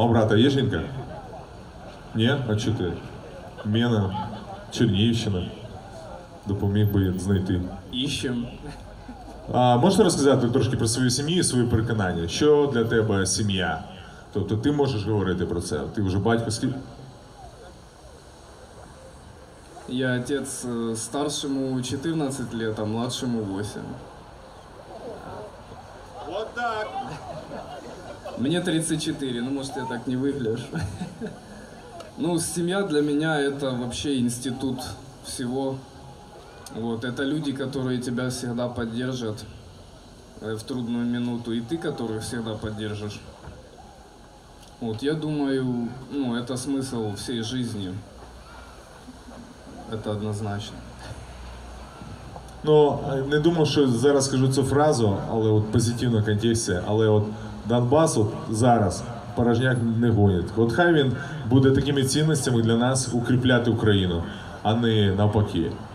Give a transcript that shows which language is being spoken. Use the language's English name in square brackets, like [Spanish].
[Ukrainian] А брата є жінка? Ні? А чи ти? Міна, Чернігівщина. Допоміг би знайти. Іщем. А можна розказати трошки про свою сім'ю і своє переконання? Що для тебе сім'я? Тобто ти можеш говорити про це? Ти вже батько скільки? [Russian] Я отец старшему 14 лет, а младшему 8. Вот так! Мне 34, ну может я так не выгляжу. Ну, семья для меня это вообще институт всего. Вот, это люди, которые тебя всегда поддержат в трудную минуту, и ты, которых всегда поддержишь. Вот, я думаю, ну это смысл всей жизни. [Ukrainian] Це однозначно. Ну, не думав, що зараз скажу цю фразу, але от позитивна контексція. Але от Донбас от зараз порожняк не гонить. От хай він буде такими цінностями для нас укріпляти Україну, а не навпаки.